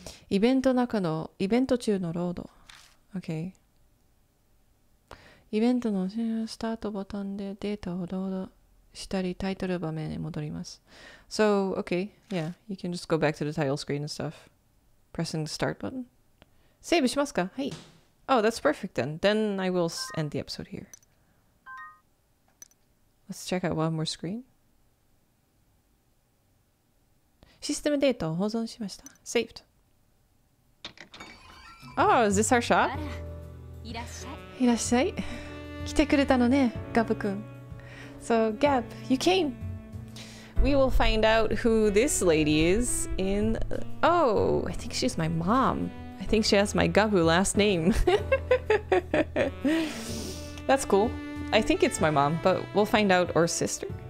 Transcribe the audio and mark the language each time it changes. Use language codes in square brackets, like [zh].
[ja] イベント中の、イベント中のロード。 [en] Okay. [ja] イベントのスタートボタンでデータをロードしたりタイトル場面に戻ります。 [en] So, okay, yeah, you can just go back to the title screen and stuff. Pressing the start button. [ja] セーブしますか? はい。 [en] Oh, that's perfect then. Then I will end the episode here. Let's check out one more screen. [ja] システムデータを保存しました。 [en] Saved. Oh, is this our shot? [ja] いらっしゃい。いらっしゃい。来てくれたのね、ガブ君。 [en] So, Gab, you came! We will find out who this lady is in... Oh, I think she's my mom. I think she has my Gabu last name. That's cool. I think it's my mom, but we'll find out, or sister.